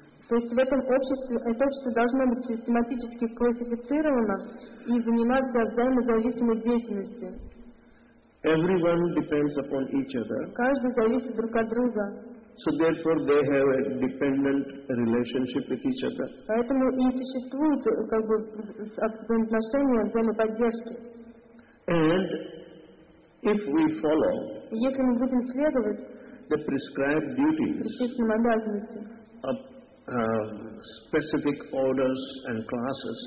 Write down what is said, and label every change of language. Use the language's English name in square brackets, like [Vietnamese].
[Russian] То есть в этом обществе, это общество должно быть систематически классифицировано и заниматься взаимозависимой деятельностью. [English] Everyone depends upon each other. [Russian] Каждый зависит друг от друга. [English] So therefore they have a dependent relationship with each other. [Russian] Поэтому и существует как бы взаимоотношения, взаимоподдержки. [English] And if we follow, [Russian] если мы будем следовать [English] the prescribed duties, [Russian] предписанным обязанностям, [English] specific orders and classes,